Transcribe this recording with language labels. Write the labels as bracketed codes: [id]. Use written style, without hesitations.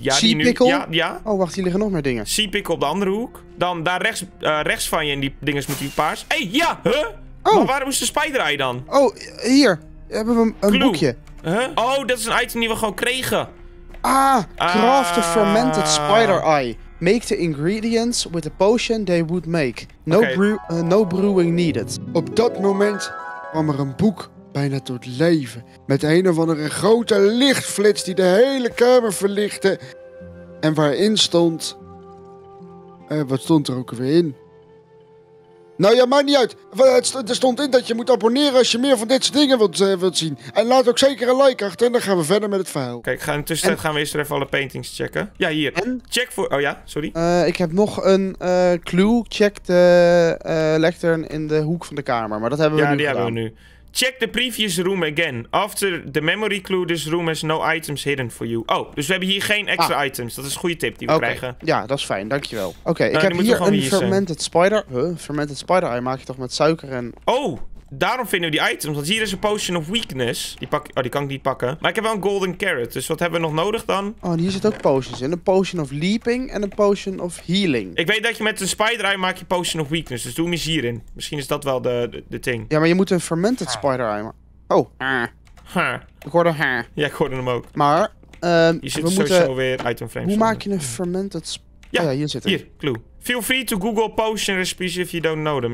[en] sea pickle? [nl] Ja. Oh, wacht, hier liggen nog meer dingen. Sea pickle op de andere hoek. Dan daar rechts, rechts van je in die dinges moet die paars. Hé, ja! Huh? Oh. Maar waar moest de spider eye dan? Oh, hier. Hebben we een boekje. Huh? Oh, dat is een item die we gewoon kregen. [en] Ah, craft a fermented spider eye. Make the ingredients with the potion they would make. No brewing needed. [nl] Op dat moment kwam er een boek bijna tot leven. Met een of andere grote lichtflits die de hele kamer verlichtte. En waarin stond... wat stond er ook weer in? Nou ja, maakt niet uit. Er stond in dat je moet abonneren als je meer van dit soort dingen wilt zien. En laat ook zeker een like achter en dan gaan we verder met het verhaal. Kijk, gaan we eerst even alle paintings checken. Ja, hier. En? Check voor... Oh ja, sorry. Ik heb nog een clue. Check de lectern in de hoek van de kamer. Maar dat hebben we nu gedaan. Ja, die hebben we nu. [en] Check the previous room again. After the memory clue, this room has no items hidden for you. [nl] Oh, dus we hebben hier geen extra items. Dat is een goede tip die we krijgen. Ja, dat is fijn. Dankjewel. Oké, ik heb hier een fermented spider. Fermented spider eye maak je toch met suiker en... Oh, daarom vinden we die items. Want hier is een Potion of Weakness. Die kan ik niet pakken. Maar ik heb wel een Golden Carrot. Dus wat hebben we nog nodig dan? Oh, hier zitten ook potions in. Een Potion of Leaping en een Potion of Healing. Ik weet dat je met een Spider-Eye maak je Potion of Weakness. Dus doe hem eens hierin. Misschien is dat wel de thing. Ja, maar je moet een Fermented Spider-Eye maken. Oh. Ik hoorde hem. Ja, ik hoorde hem ook. Maar, hier zit sowieso weer item frames. Hoe maak je een Fermented Spider-Eye? Ja, hier zit hij. Hier, clue. [en] Feel free to Google potion recipes if you don't know them.